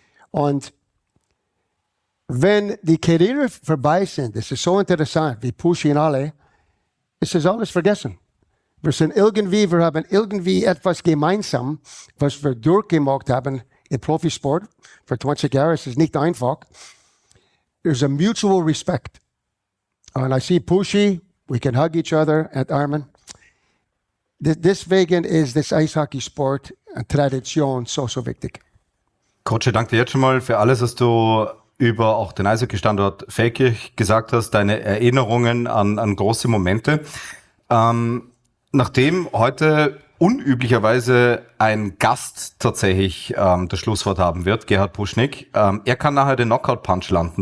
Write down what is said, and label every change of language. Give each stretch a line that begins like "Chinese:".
German: Und wenn die Karriere vorbei sind, das ist so interessant, wie Pushy und alle, es ist alles vergessen. Wir sind irgendwie, wir haben irgendwie etwas gemeinsam, was wir durchgemacht haben im Profisport für 20 Jahre. Es ist nicht einfach.
English: There's a mutual respect. And I see Pushy, we can hug each other at Armin.
German: Deswegen ist das Eishockey-Sport eine Tradition so, so wichtig. Coach, ich danke dir jetzt schon mal für alles, was du über auch den Eishockey-Standort Feldkirch gesagt hast, deine Erinnerungen an große Momente. Nachdem heute unüblicherweise ein Gast tatsächlich das Schlusswort haben wird, Gerhard Pruschnick, er kann nachher den Knockout-Punch landen.